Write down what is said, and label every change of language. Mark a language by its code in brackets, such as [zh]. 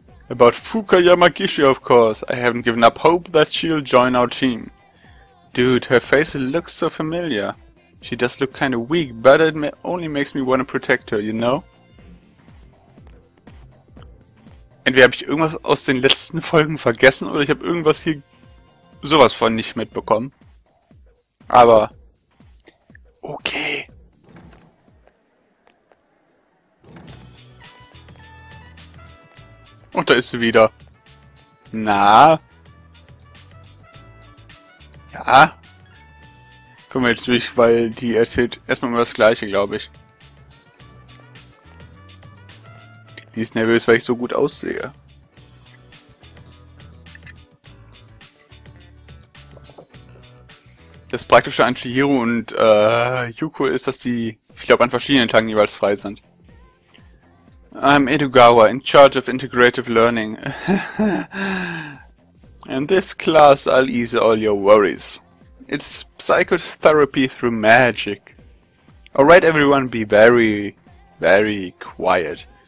[en] About Fuka Yamagishi, of course. I haven't given up hope that she'll join our team. Dude, her face looks so familiar. She does look kind of weak, but it only makes me want to protect her, you know? [de] Entweder habe ich irgendwas aus den letzten Folgen vergessen oder ich habe irgendwas hier sowas von nicht mitbekommen. Aber okay. Und da ist sie wieder. Na? Ja? Kommen wir jetzt durch, weil die erzählt erstmal immer das Gleiche, glaube ich. Die ist nervös, weil ich so gut aussehe. Das Praktische an Chihiro und Yuko ist, dass die, ich glaube, an verschiedenen Tagen jeweils frei sind. [en] I'm Edugawa, in charge of integrative learning. In this class I'll ease all your worries. It's psychotherapy through magic. Alright, everyone, be very, very quiet.